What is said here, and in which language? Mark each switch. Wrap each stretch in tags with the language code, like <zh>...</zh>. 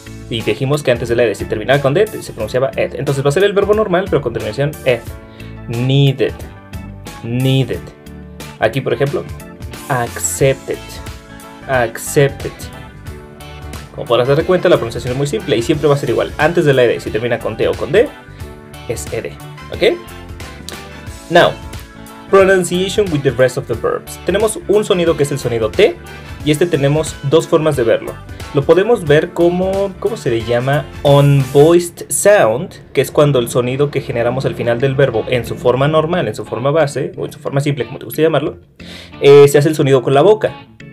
<es>Y dijimos que antes de la ed, si terminaba con ed, se pronunciaba ed. Entonces va a ser el verbo normal, pero con terminación ed.</es> <en>Needed. Needed.</en> <es>Aquí, por ejemplo,</es> <en>accepted. Accepted.</en> <es>Como podrás darte cuenta, la pronunciación es muy simple y siempre va a ser igual. Antes de la ed, si termina con t o con d, es ed. ¿Ok?</es> <en>Now, pronunciation with the rest of the verbs.</en> <es>Tenemos un sonido que es el sonido t, y este tenemos dos formas de verlo. Lo podemos ver como, ¿cómo se le llama? Unvoiced sound, que es cuando el sonido que generamos al final del verbo en su forma normal, en su forma base, o en su forma simple, como te guste llamarlo, se hace el sonido con la boca.</es>